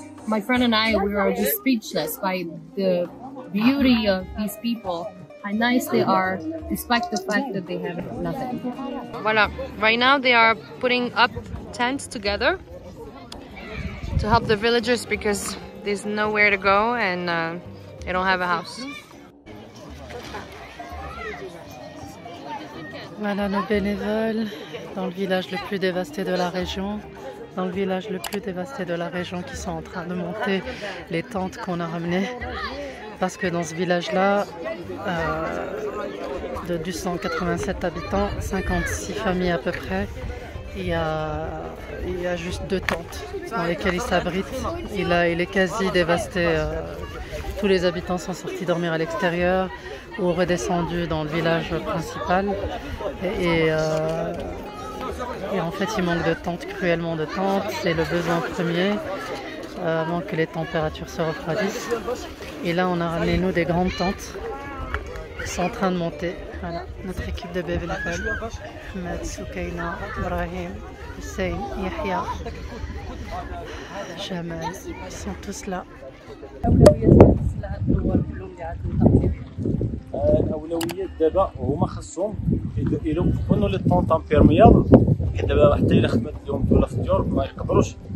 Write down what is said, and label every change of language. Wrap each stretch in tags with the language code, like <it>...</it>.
<en>My friend and I, we were just speechless by the beauty of these people, how nice they are, despite the fact that they have nothing. Voilà, right now they are putting up tents together to help the villagers because there's nowhere to go and they don't have a house.</en> <fr>Voilà nos bénévoles dans le village le plus dévasté de la région. Dans le village le plus dévasté de la région qui sont en train de monter les tentes qu'on a ramenées. Parce que dans ce village-là, de 287 habitants, 56 familles à peu près, il y a juste deux tentes dans lesquelles ils s'abritent. Il est quasi dévasté. Tous les habitants sont sortis dormir à l'extérieur ou redescendus dans le village principal. Et en fait, il manque de tentes, cruellement de tentes. C'est le besoin premier avant que les températures se refroidissent. Et là, on a ramené, nous, des grandes tentes qui sont en train de monter. Voilà, notre équipe de bénévoles. Ahmed, Soukaina, Ibrahim, Hussein, Yahya, Jamel, ils sont tous là.</fr> <ar>الاولويات دابا هما خاصهم يديروا كونوا لي طونط امبيرميال حيت دابا حتى الا خدمت اليوم ولا فطور ما يقدروش</ar>